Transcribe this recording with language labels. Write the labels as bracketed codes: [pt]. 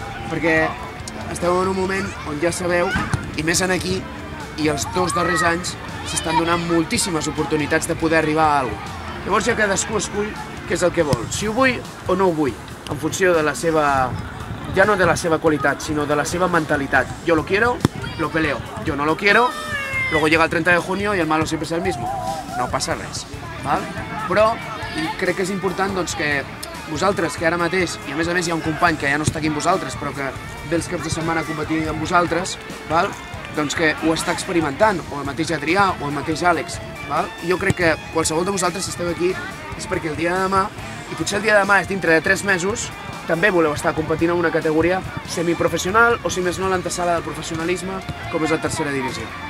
[ca] Perquè esteu en un moment on ja sabeu, i més en aquí, i els dos darrers anys s'estan donant moltíssimes oportunitats de poder arribar a alguna cosa. Llavors ja cadascú escull què és el que vol, si ho vull o no ho vull, en funció de la seva, ja no de la seva qualitat, sinó de la seva mentalitat. [es] Yo lo quiero, lo peleo. Yo no lo quiero, luego llega el 30 de junio y el malo siempre es el mismo. [ca] No passa res, val? Però crec que és important doncs, que vosaltres, que ara mateix, i a més hi ha un company que ja no està aquí amb vosaltres, però que ve els caps de setmana competint amb vosaltres, val? Doncs que ho està experimentant, o el mateix Adrià, o el mateix Àlex. Val? Jo crec que qualsevol de vosaltres si esteu aquí és perquè el dia de demà, i potser el dia de demà és dintre de 3 mesos, també voleu estar competint en una categoria semiprofessional, o si més no l'antesala del professionalisme, com és la tercera divisió.